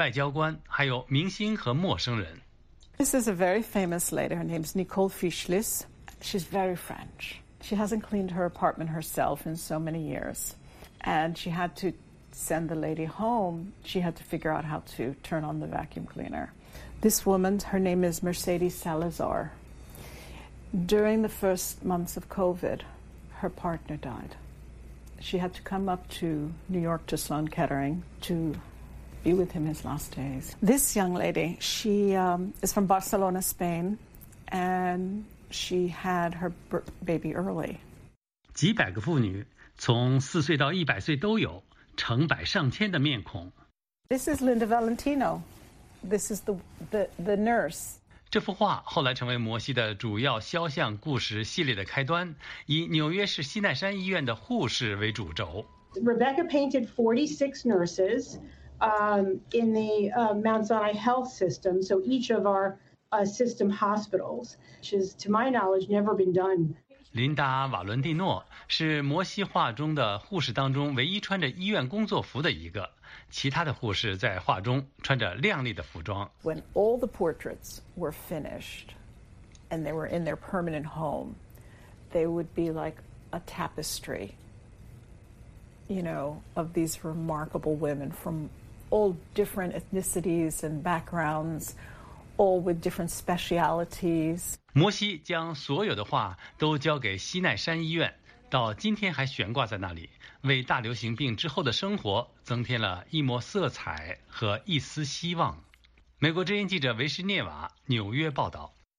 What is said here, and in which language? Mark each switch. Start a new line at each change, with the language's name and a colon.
Chinese: 他听到形形色色的人的故事，有销售助理和时尚要人、联邦雇员和慈善家、教师、外交官，还有明星和陌生人。
English: This is a very famous lady. Her name is Nicole Fischlis. She's very French. She hasn't cleaned her apartment herself in so many years, and she had to send the lady home. She had to figure out how to turn on the vacuum cleaner. This woman, her name is Mercedes Salazar. During the first months of COVID, her partner died. She had to come up to New York to Sloan Kettering to be with him his last days. This young lady, she is from Barcelona, Spain, and she had her baby early.
Chinese: 几百个妇女，从4岁到100岁都有，成百上千的面孔。
English: This is Linda Valentino. This is the nurse.
Chinese: 这幅画后来成为摩西的主要肖像故事系列的开端，以纽约市西奈山医院的护士为主轴。
English: Rebecca painted 46 nurses in the Mount Sinai Health System, so each of our system hospitals, which is, to my knowledge, never been done.
Chinese: 琳达·瓦伦蒂诺是摩西画中的护士当中唯一穿着医院工作服的一个，其他的护士在画中穿着亮丽的服装。
English: When all the portraits were finished and they were in their permanent home, they would be like a tapestry. You know, of these remarkable women from all different ethnicities and backgrounds, all with different specialities.
Chinese: 摩西将所有的画都交给西奈山医院，到今天还悬挂在那里，为大流行病之后的生活增添了一抹色彩和一丝希望。美国之音记者维什涅瓦，纽约报道。